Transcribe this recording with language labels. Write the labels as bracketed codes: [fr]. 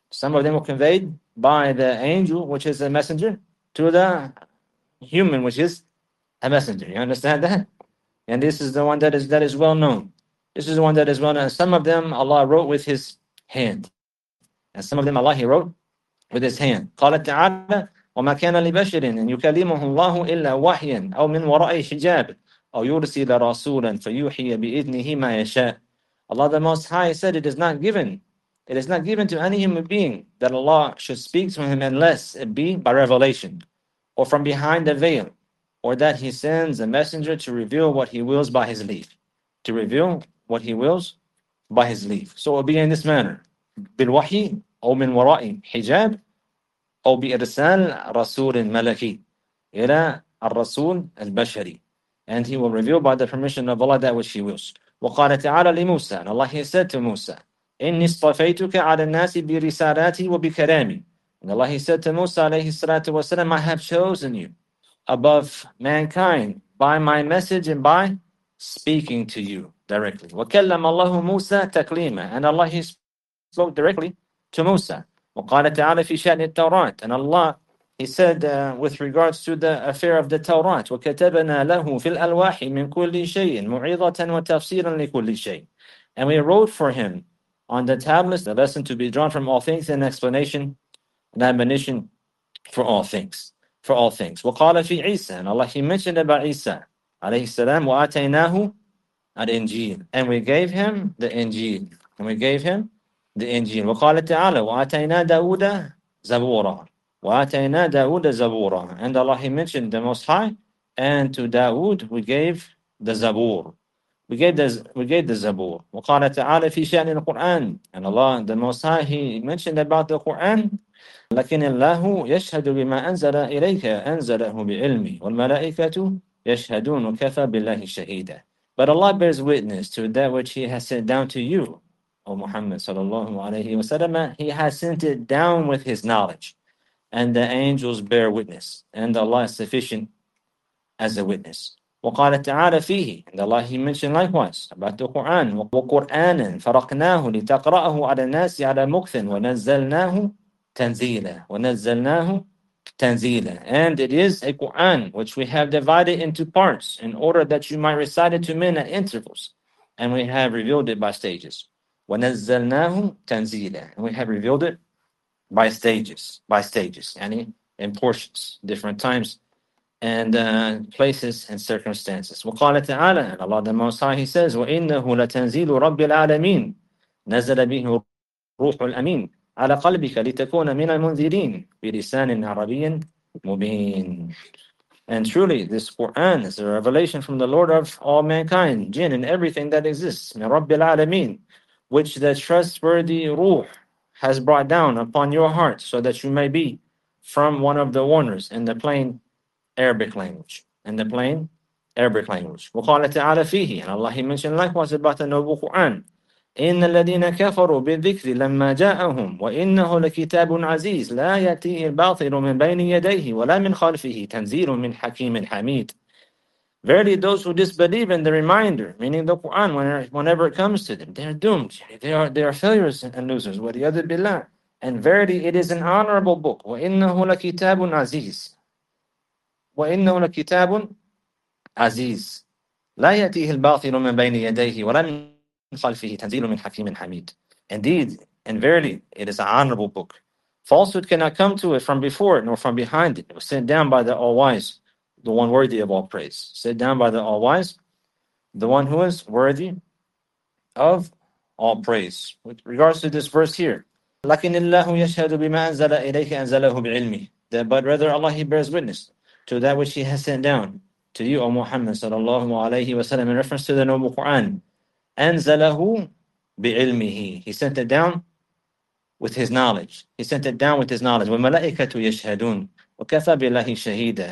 [en] Some of them were conveyed by the angel, which is a messenger, to the human, which is a messenger. You understand that? And this is the one that is well known. This is the one that is well known. Some of them Allah wrote with his hand. And some of them Allah, he wrote with his hand. [ar] قال تعالى وما كان لبشر أن يكلمه الله إلا وحيا أو من وراء حجاب أو يرسل رسولا فيوحي بإذنه ما يشاء. [en] Allah the Most High said, it is not given. It is not given to any human being that Allah should speak to him unless it be by revelation or from behind the veil, or that he sends a messenger to reveal what he wills by his leave. To reveal what he wills by his leave. So it will be in this manner. [ar] بالوحي أو من وراء حجاب أو بإرسال رسول ملكي إلى الرسول البشري. [en] And he will reveal by the permission of Allah that which he wills. [ar] وقال تعالى لموسى. [en] And Allah, he said to Musa, [ar] إني اصطفيتك على الناس برسالاتي وبكلامي. [en] And Allah, he said to Musa [ar] عليه الصلاة والسلام, [en] I have chosen you above mankind by my message and by speaking to you directly. [ar] وكلم الله موسى تكليما. [en] And Allah, he spoke directly to Musa. [ar] وقال تعالى في شأن التوراة. [en] And Allah, he said with regards to the affair of the Torah, [ar] وكتبنا له في الألواح من كل شيء موعظة وتفصيلا لكل شيء. [en] And we wrote for him on the tablets the lesson to be drawn from all things, and explanation and admonition for all things. For all things. [ar] وقال في عيسى. [en] And Allah, he mentioned about Isa [ar] عليه السلام. وآتيناه الإنجيل. [en] And we gave him the Injil. And we gave him the Injil. [ar] وقال تعالى وآتينا داود زبورا. وآتينا داود زبورا. [en] And Allah, he mentioned the Most High. And to Dawood we gave the Zabur. We gave the Zabur. [ar] وقال تعالى في شأن القرآن. [en] And Allah, the Most High, he mentioned about the Quran. [ar] لكن الله يشهد بما أنزل إليك أنزله بعلمي والملائكة يشهدون وكفى بالله شهيدا. [en] But Allah bears witness to that which He has sent down to you, O Muhammad sallallahu alayhi wa sallam. He has sent it down with His knowledge, and the angels bear witness, and Allah is sufficient as a witness. [ar] وقال تعالى فيه. [en] And Allah, He mentioned likewise about the Quran. [ar] وقرآنا فرقناه لتقرأه على الناس على مكث ونزلناه تنزيلا ونزلناه تنزيلا. [en] And it is a Quran which we have divided into parts in order that you might recite it to men at intervals, and we have revealed it by stages. [ar] ونزلناه تنزيلا. [en] And we have revealed it by stages, yani in portions, different times and places and circumstances. [ar] وقال تعالى. [en] And Allah the Most High, He says, [ar] وإنه لتنزيل رب العالمين نزل به روح الأمين على قلبك لتكون من المنذرين بلسان عربي مبين. [en] And truly, this Quran is a revelation from the Lord of all mankind, jinn, and everything that exists, [ar] من رب العالمين, [en] which the trustworthy Ruh has brought down upon your heart so that you may be from one of the warners in the plain Arabic language. In the plain Arabic language. [ar] وقال تعالى فيه. [en] And Allah, He mentioned likewise about the noble Quran. [ar] إن الذين كفروا بالذكر لما جاءهم وإنه لكتاب عزيز لا يأتيه الباطل من بين يديه ولا من خلفه تنزيل من حكيم حميد. [en] Verily those who disbelieve in the reminder, meaning the Quran, whenever it comes to them, they are doomed. They are failures and losers. [ar] وَلِيَذِ بِاللَّهِ. [en] And verily it is an honorable book. [ar] وَإِنَّهُ لَكِتَابٌ عَزِيزٌ. وَإِنَّهُ لَكِتَابٌ عَزِيزٌ. لَا يَأْتِيهِ الْبَاطِلُ مِنْ بَيْنِ يَدَيْهِ وَلَا مِنْ خَلْفِهِ تَنْزِيلٌ مِنْ حَكِيمٍ حَمِيدٌ. [en] Indeed, and verily it is an honorable book. Falsehood cannot come to it from before nor from behind it. It was sent down by the All-Wise, the one worthy of all praise. Sit down by the All-Wise, the one who is worthy of all praise. With regards to this verse here, [ar] لَكِنِ اللَّهُ يَشْهَدُ بِمَا أَنزَلَ إِلَيْكَ أَنزَلَهُ بِعِلْمِهِ. [en] But rather Allah, He bears witness to that which He has sent down to you, O Muhammad sallallahu alayhi wa sallam, in reference to the noble Quran. [ar] أَنزَلَهُ بِعِلْمِهِ. [en] He sent it down with his knowledge. He sent it down with his knowledge. [ar] وَالْمَلَائِكَةُ يَشْهَدُونَ وَكَفَى بِاللَّهِ شَهِيدًا.